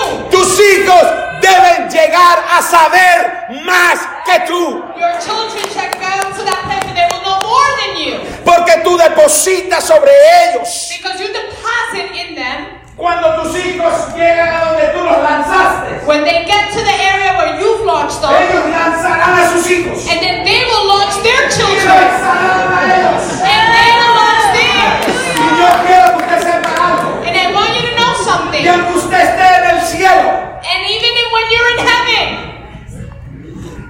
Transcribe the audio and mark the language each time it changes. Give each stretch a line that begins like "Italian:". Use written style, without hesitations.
Spanish: Tus hijos deben llegar a saber más que tú.
English: Your children shall go to that place where they will know more than you.
Spanish: Porque tú depositas sobre ellos.
English: Because you deposit in them.
Spanish: Cuando tus hijos llegan a donde tú los lanzaste.
English: When they get to the area where you've launched them.
Spanish: Ellos lanzarán a sus hijos.
English: And then they will launch their children.
Spanish: Y lanzarán a ellos.
English: And they will launch theirs.
Spanish: Y yo quiero que usted sepa algo.
English: And I want you to know something.
Spanish: Y aunque usted esté en el cielo.
English: And even when you're in heaven.